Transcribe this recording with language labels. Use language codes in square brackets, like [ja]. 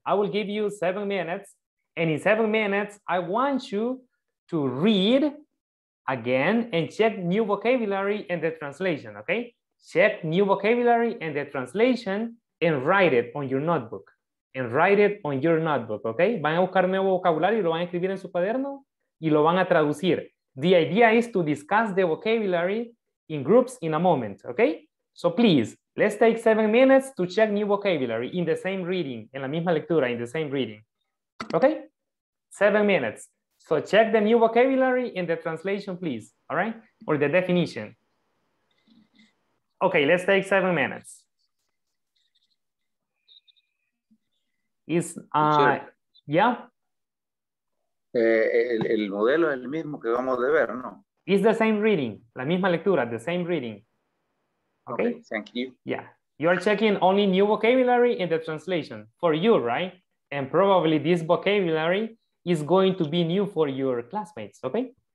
[en] I will give you 7 minutes, and in 7 minutes, I want you to read again and check new vocabulary and the translation, okay? Check new vocabulary and the translation and write it on your notebook. And write it on your notebook, okay? [es] Van a buscar nuevo vocabulario y lo van a escribir en su cuaderno y lo van a traducir. [en] The idea is to discuss the vocabulary in groups in a moment, okay? So please, let's take 7 minutes to check new vocabulary in the same reading, [es] en la misma lectura, [en] in the same reading, okay? 7 minutes. So check the new vocabulary in the translation, please, all right? Or the definition. Okay, let's take 7 minutes. [es] El modelo es el mismo que vamos a ver, ¿no? [en] It's the same reading, [es] la misma lectura, [en] the same reading. Okay, thank you. Yeah, you are checking only new vocabulary in the translation for you, right? And probably this vocabulary is going to be new for your classmates, okay?